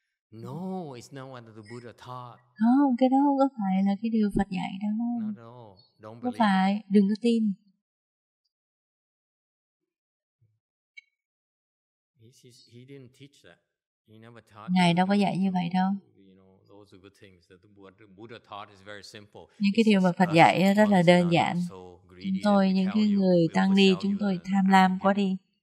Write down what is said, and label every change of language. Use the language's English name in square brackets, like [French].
[English] No, it's not what the Buddha taught. [Vietnamese] Không, cái đó không có phải là cái điều Phật dạy đâu. [English] No, don't believe. [Vietnamese] Có phải, đừng có tin. [English] He didn't teach that. He never taught. [Vietnamese] Ngài đâu có dạy như vậy đâu. [English] You know, those good things that the Buddha taught is very simple. [Vietnamese] Những cái điều mà Phật dạy rất là đơn giản. Chúng tôi, những cái người tăng ni, chúng tôi tham lam quá đi.